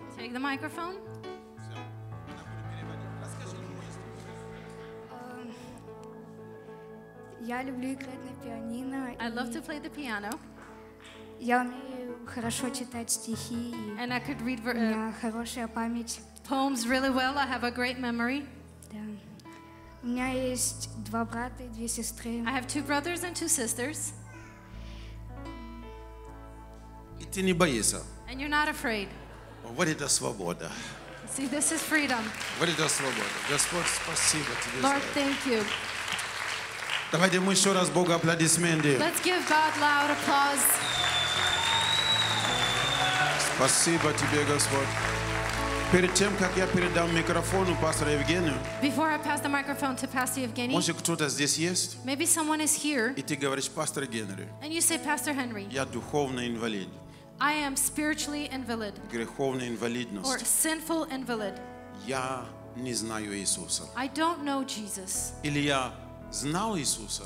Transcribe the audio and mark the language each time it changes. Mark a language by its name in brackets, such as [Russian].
[English] Take the microphone. [Russian] Я люблю играть на пианино. [English] I love to play the piano. [Russian] Я умею хорошо читать стихи. [English] And I could read verses. [Russian] У меня хорошая память. [English] Poems really well. I have a great memory. [Russian] Да. меня есть два брата и две сестры. [English] I have two brothers and two sisters. [Russian] И ты не боишься. [English] And you're not afraid. [Russian] Вот это свобода. [English] See, this is freedom. [Russian] Вот это свобода. Господь, спасибо тебе. [English] Lord, thank you. [Russian] Давайте мы еще раз Богу аплодисменты. [English] Let's give God loud applause. [Russian] Спасибо тебе, Господь. Перед тем, как я передам микрофон пастору Евгению, [English] before I pass the microphone to Pastor Evgeny, [Russian] может кто-то здесь есть? [English] Maybe someone is here. [Russian] И ты говоришь, пастор Генри. [English] And you say, Pastor Henry. [Russian] Я духовный инвалид. [English] I am spiritually invalid. [Russian] Греховная инвалидность. [English] Or sinful invalid. [Russian] Я не знаю Иисуса. [English] I don't know Jesus. [Russian] Или я знал Иисуса.